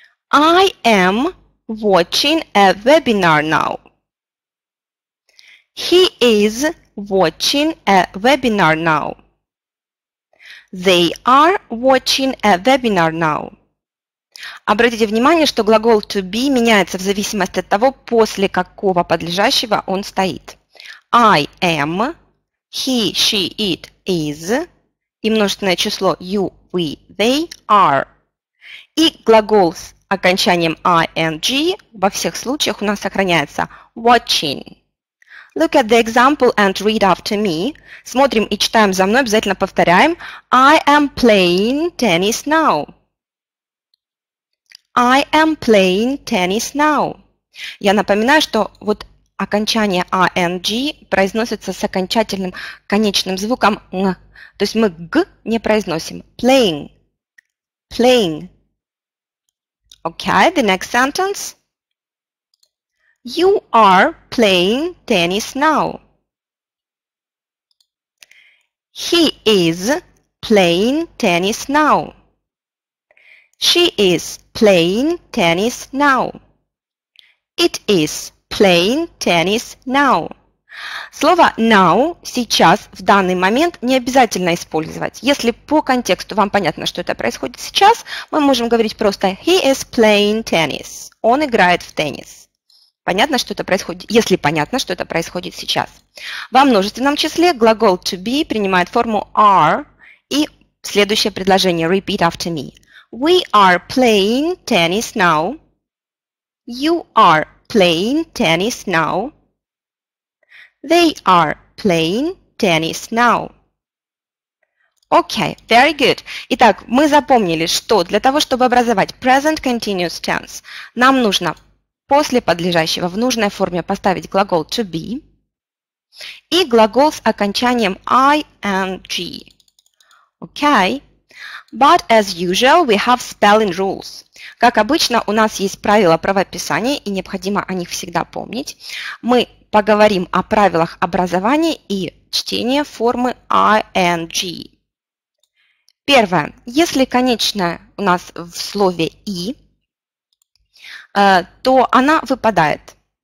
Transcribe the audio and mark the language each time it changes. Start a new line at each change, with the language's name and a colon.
English: I am watching a webinar now. He is watching a webinar now. They are watching a webinar now.
Russian: Обратите внимание, что глагол to be меняется в зависимости от того, после какого подлежащего он стоит.
English: I am, he, she, it, is,
Russian: и множественное число
English: you, we, they, are.
Russian: И глагол с окончанием ing во всех случаях у нас сохраняется watching.
English: Look at the example and read after me.
Russian: Смотрим и читаем за мной, обязательно повторяем.
English: I am playing tennis now. I am playing tennis now.
Russian: Я напоминаю, что вот окончание ing произносится с окончательным конечным звуком ng. То есть мы г не произносим.
English: Playing. Playing. Okay, the next sentence. You are playing tennis now. He is playing tennis now. She is playing tennis now. It is playing tennis now.
Russian: Слово now сейчас в данный момент не обязательно использовать. Если по контексту вам понятно, что это происходит сейчас, мы можем говорить просто
English: he is playing tennis.
Russian: Он играет в теннис. Понятно, что это происходит, если понятно, что это происходит сейчас. Во множественном числе глагол to be принимает форму are и следующее предложение
English: repeat after me. We are playing tennis now. You are playing tennis now. They are playing tennis now. Okay, very good.
Russian: Итак, мы запомнили, что для того, чтобы образовать present continuous tense, нам нужно после подлежащего в нужной форме поставить глагол to be и глагол с окончанием ing.
English: Okay. But as usual, we have spelling rules.
Russian: Как обычно, у нас есть правила правописания, и необходимо о них всегда помнить. Мы поговорим о правилах образования и чтения формы ing. Первое. Если конечное у нас в слове i, то она выпадает.